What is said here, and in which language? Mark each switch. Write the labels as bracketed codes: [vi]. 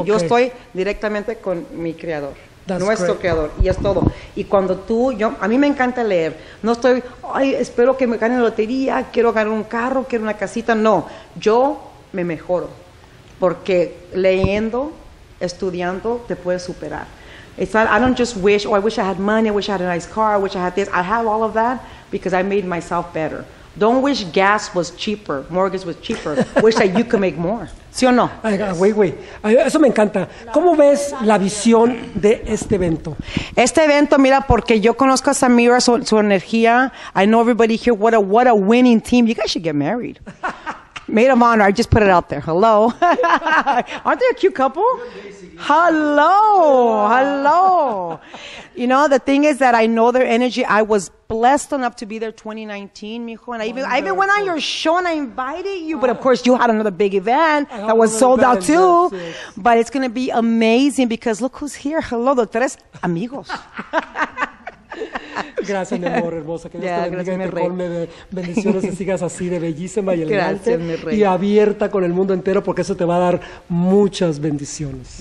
[es] Okay. Yo estoy directamente con mi creador, creador, y es todo. Y cuando a mí me encanta leer, no estoy, ay, espero que me gane la lotería, quiero ganar un carro, quiero una casita, no. Yo me mejoro, porque leyendo, estudiando, te puedes superar. [en] It's not, I don't just wish, oh, I wish I had money, I wish I had a nice car, I wish I had this, I have all of that. Because I made myself better. Don't wish gas was cheaper, mortgage was cheaper. Wish that you could make more. [es] ¿Sí o no? [en] Wait. [es] Eso me encanta. ¿Cómo ves la visión de este evento? Este evento, mira, porque yo conozco a Samira, su energía. [en] I know everybody here. What a winning team. You guys should get married. Maid of honor. I just put it out there. Hello. Aren't they a cute couple? Hello. You know, the thing is that I know their energy. I was blessed enough to be there 2019, mijo. And I even went on your show and I invited you. But, of course, you had another big event that was sold out, too. Yes. But it's going to be amazing because look who's here. Hello, the [es] tres amigos. Gracias, mi amor hermosa. Que Dios te bendiga y te colme de bendiciones y sigas así de bellísima y elegante y abierta con el mundo entero porque eso te va a dar muchas bendiciones.